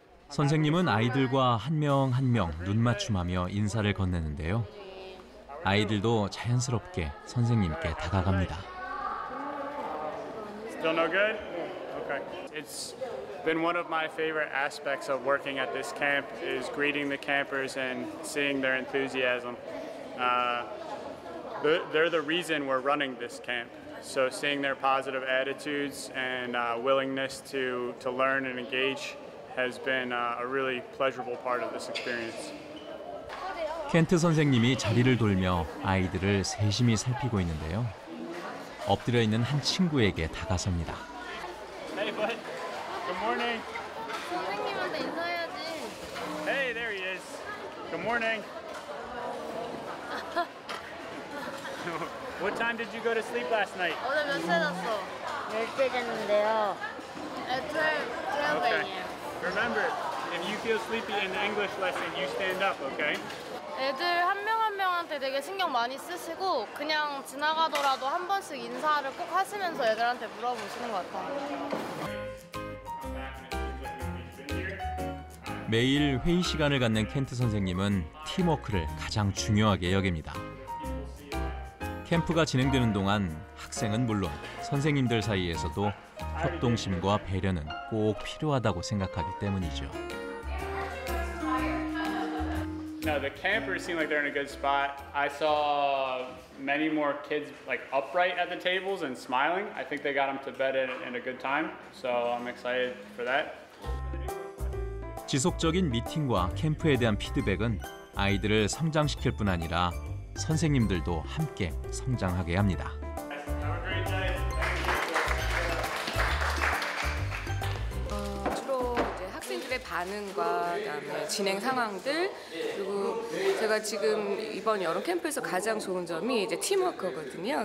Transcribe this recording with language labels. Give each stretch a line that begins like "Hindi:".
Korean: 선생님은 아이들과 한 명 한 명 눈 맞춤하며 인사를 건네는데요. 아이들도 자연스럽게 선생님께 다가갑니다.
English: Still no good? Okay. It's been one of my favorite aspects of working at this camp is greeting the campers and seeing their enthusiasm. they're the reason we're running this camp. So seeing their positive attitudes and willingness to learn and engage has been a really pleasurable part of this experience.
Korean: 켄트 선생님이 자리를 돌며 아이들을 세심히 살피고 있는데요. 엎드려 있는 한 친구에게 다가섭니다.
English: Hey, bud. Good morning.
Korean: 선생님한테 인사해야지.
English: Hey, there he is. Good morning. What time did you go to sleep last night?
Korean: 어제 몇 시에 잤어? 10시에 잤는데요.
English: Okay. Remember, if you feel sleepy in the English lesson, you stand up, okay?
Korean: 애들 한 명 한 명한테 되게 신경 많이 쓰시고 그냥 지나가더라도 한 번씩 인사를 꼭 하시면서 애들한테 물어보시는 것 같아요. 매일 회의 시간을 갖는 켄트 선생님은 팀워크를 가장 중요하게 여깁니다. 캠프가 진행되는 동안 학생은 물론 선생님들 사이에서도 협동심과 배려는 꼭 필요하다고 생각하기 때문이죠.
English: No, the campers seem like they're in a good spot. I saw many more kids like upright at the tables and smiling. I think they got them to bed in a good time. So I'm excited for that.
Korean: 지속적인 미팅과 캠프에 대한 피드백은 아이들을 성장시킬 뿐 아니라 선생님들도 함께 성장하게 합니다.
English: Have a great day. Thank you.
Korean: 주로 이제 학생들의 반응과 그다음에 진행 상황들 그리고 제가 지금 이번 여름 캠프에서 가장 좋은 점이 이제 팀워크거든요.